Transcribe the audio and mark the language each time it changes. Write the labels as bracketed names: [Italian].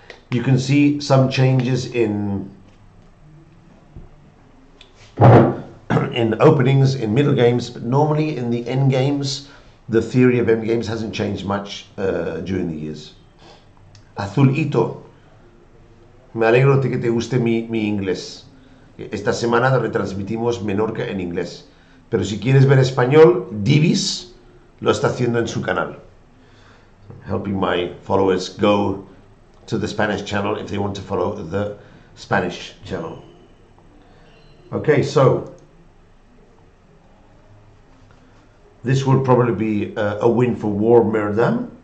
[English] You can see some changes in openings, in middle games, but normally in the end games, the theory of end games hasn't changed much during the years. [Spanish] Azul Ito, me alegro de que te guste mi inglés. Esta semana retransmitimos Menorca en inglés. Pero si quieres ver español, Divis lo está haciendo en su canal. [English] Helping my followers go to the Spanish channel if they want to follow the Spanish channel. Okay, so this will probably be a win for War Merdam.